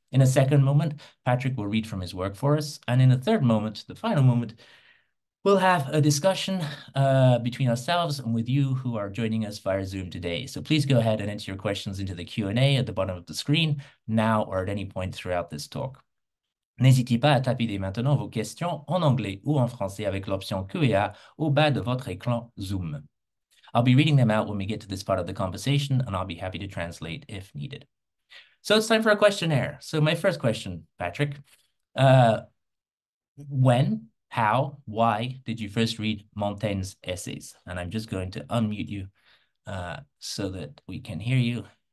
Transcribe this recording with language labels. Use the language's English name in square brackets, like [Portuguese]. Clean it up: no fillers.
[English] In a second moment, Patrick will read from his work for us. And in a third moment, the final moment, we'll have a discussion between ourselves and with you who are joining us via Zoom today. So please go ahead and enter your questions into the Q&A at the bottom of the screen now or at any point throughout this talk. [French] N'hésitez pas à taper dès maintenant vos questions en anglais ou en français avec l'option Q&A au bas de votre écran Zoom. [English] I'll be reading them out when we get to this part of the conversation, and I'll be happy to translate if needed. So it's time for a questionnaire. So my first question, Patrick, when, how, why did you first read Montaigne's essays? And I'm just going to unmute you so that we can hear you.